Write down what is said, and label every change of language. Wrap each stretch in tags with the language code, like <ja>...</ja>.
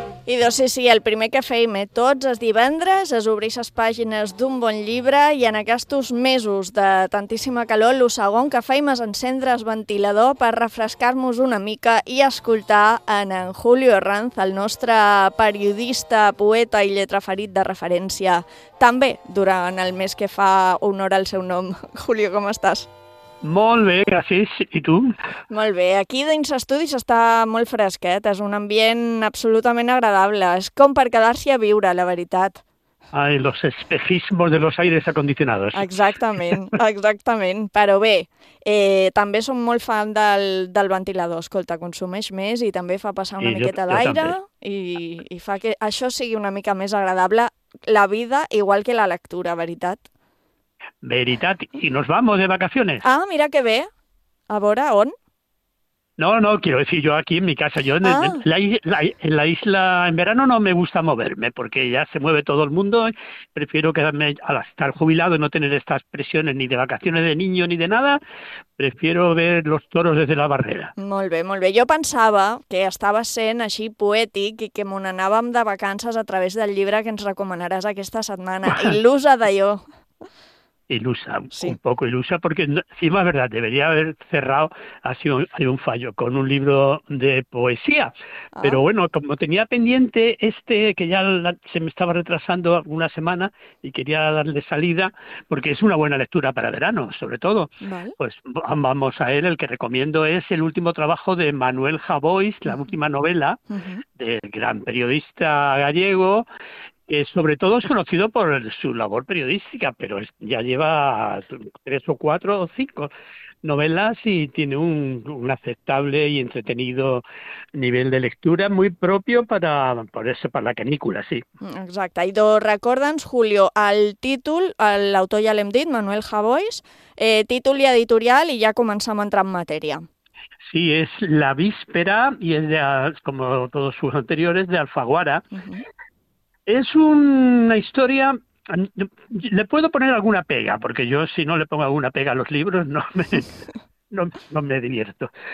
<ca>I doncs sí, el primer que feim tots els divendres és obrir les pàgines d'un bon llibre i en aquests mesos de tantíssima calor, el segon que feim és encendre el ventilador per refrescar-nos una mica i escoltar en Julio Herranz, el nostre periodista, poeta i lletra ferit de referència, també durant el mes que fa honor al seu nom. Julio, com estàs? Molt bé, gràcies. I tu? Molt bé. Aquí dins l'estudis està molt fresquet. És un ambient absolutament agradable. És com per quedar-s'hi a viure, la veritat.</ca> <es>Ai, los espejismos de los aires acondicionados.</es> <ca>Exactament, exactament. Però bé, també som molt fan del ventilador. Escolta, consumeix més i també fa passar una miqueta d'aire i fa que això sigui una mica més agradable la vida, igual que la lectura, veritat. Veritat, i</ca> <es>nos vamos de vacaciones.</es> <ca>Ah, mira que bé. A veure, on?</ca> <es>No, quiero decir yo aquí en mi casa. Yo en la isla en verano no me gusta moverme porque ya se mueve todo el mundo. Prefiero quedarme al estar jubilado y no tener estas presiones ni de vacaciones de niño ni de nada. Prefiero ver los toros desde la barrera.</es> <ca>Molt bé, molt bé. Jo pensava que estava sent així poètic i que mon anàvem de vacances a través del llibre que ens recomanaràs aquesta setmana. Il·lusa d'allò.</ca> <es>Ilusa, sí. Un poco ilusa, porque encima es verdad, debería haber cerrado, ha sido un fallo, con un libro de poesía. Pero bueno, como tenía pendiente este, que ya se me estaba retrasando una semana y quería darle salida, porque es una buena lectura para verano, sobre todo. ¿Vale? Pues vamos a él, el que recomiendo es el último trabajo de Manuel Javois, la última novela del gran periodista gallego, sobre todo es conocido por su labor periodística, pero ya lleva 3 o 4 o 5 novelas y tiene un aceptable y entretenido nivel de lectura muy propio para, por eso, para la canícula, sí.</es> <ca>Exacte. I doncs recorda'ns, Julio, el títol, l'autor ja l'hem dit, Manuel Javois, títol i editorial i ja començam a entrar en matèria.</ca> <es>Sí, es La víspera y es de, como todos sus anteriores, de Alfaguara. Es una historia, le puedo poner alguna pega, porque yo si no le pongo alguna pega a los libros no me divierto.</es>